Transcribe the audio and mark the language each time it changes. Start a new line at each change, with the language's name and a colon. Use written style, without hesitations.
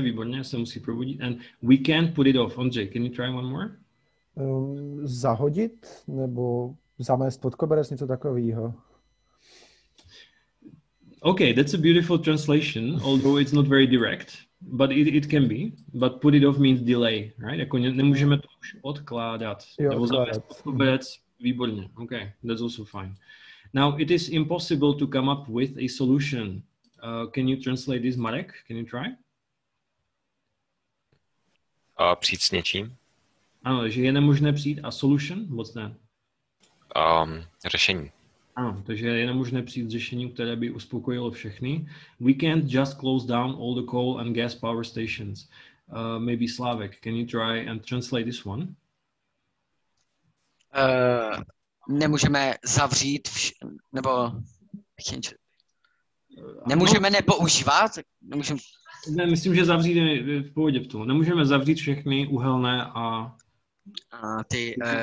Czech: Výborně, se musí probudit.
English: And we can't put it off. Ondřej, can you try one more?
Czech: Zahodit nebo zamést pod koberec, něco takového.
English: Okay, that's a beautiful translation, although it's not very direct. But it can be, but put it off means delay, right?
Czech: Jako nemůžeme to už odkládat. Jo, odkládat. Výborně,
English: okay, that's also fine. Now, it is impossible to come up with a solution. Can you translate this, Marek? Can you try?
Czech: Přijít s něčím. Ano, že je nemožné přijít
English: a solution, what's that?
Czech: Řešení. Ano, takže je nemožné přijít řešení, které by uspokojilo všechny.
English: We can't just close down all the coal and gas power stations. Maybe Slavek, can you try and translate this one?
Czech: Nemůžeme zavřít nebo nemůžeme nepoužívat? Ne, myslím, že zavřít je v pohodě. Nemůžeme zavřít všechny uhelné a ty